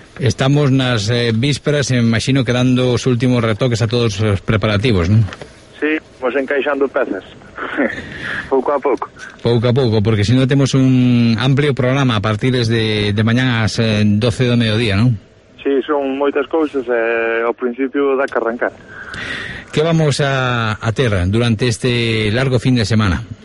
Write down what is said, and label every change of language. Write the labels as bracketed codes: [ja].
[es] Estamos en las vísperas, me imagino, que dando los últimos retoques a todos los preparativos, ¿no? [gl] Sí, vamos encaixando pezas. Pouco a pouco. Pouco a pouco, [es] porque si no tenemos un amplio programa a partir de mañana a las 12 de mediodía, ¿no? [gl] Sí, son moitas cousas, ao principio da que arrancar. [es] ¿Qué vamos a hacer durante este largo fin de semana?